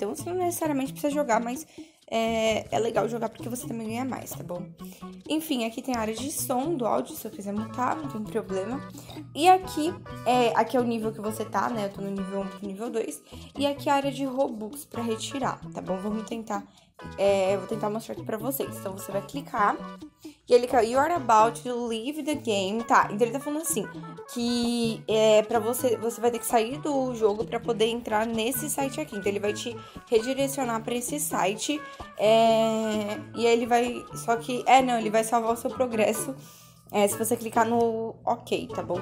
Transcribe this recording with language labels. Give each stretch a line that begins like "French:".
Portuguese: Então, você não necessariamente precisa jogar, mas é legal jogar porque você também ganha mais, tá bom? Enfim, aqui tem a área de som do áudio, se eu quiser mutar, não tem problema. E aqui, aqui é o nível que você tá, né? Eu tô no nível 1 pro nível 2. E aqui é a área de Robux pra retirar, tá bom? Vamos tentar, vou tentar mostrar aqui pra vocês. Então, você vai clicar... E ele caiu,
English: you are about to leave the game.
Portuguese: Tá, então ele tá falando assim, que é pra você vai ter que sair do jogo pra poder entrar nesse site aqui. Então ele vai te redirecionar pra esse site, e aí ele vai, só que, não, ele vai salvar o seu progresso se você clicar no ok, tá bom?